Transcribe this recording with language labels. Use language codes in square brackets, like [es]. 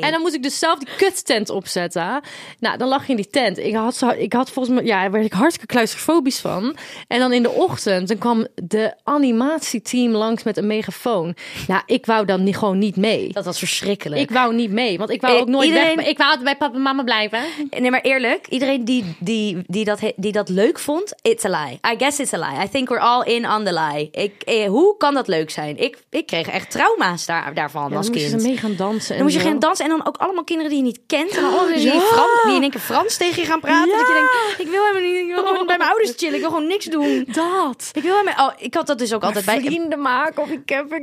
[nl] En dan moest ik dus zelf die kuttent opzetten. Nou, dan lag je in die tent. Ik had volgens mij... Ja, daar werd ik hartstikke claustrofobisch van. En dan in de ochtend... Dan kwam de animatieteam langs met een megafoon. Nou, ik wou dan gewoon niet mee. Dat was verschrikkelijk. Ik wou niet mee. Want ik wou ook nooit iedereen... weg. Ik wou altijd bij papa en mama blijven. Nee, maar eerlijk. Iedereen die dat leuk vond, [en] it's a lie. I guess it's a lie. I think we're all in on the lie. [nl] Hoe kan dat leuk zijn? Ik kreeg echt trauma's daarvan als kind. Dan moest je mee gaan dansen. Dan moest je gaan dansen en dan ook allemaal kinderen die je niet kent. En dan die in één keer Frans tegen je gaan praten. Ja. Dat je denkt, ik wil helemaal niet. Ik wil gewoon bij mijn ouders chillen. Ik wil gewoon niks doen. Dat. Ik had dat dus ook altijd vrienden bij. Vrienden maken op een camping.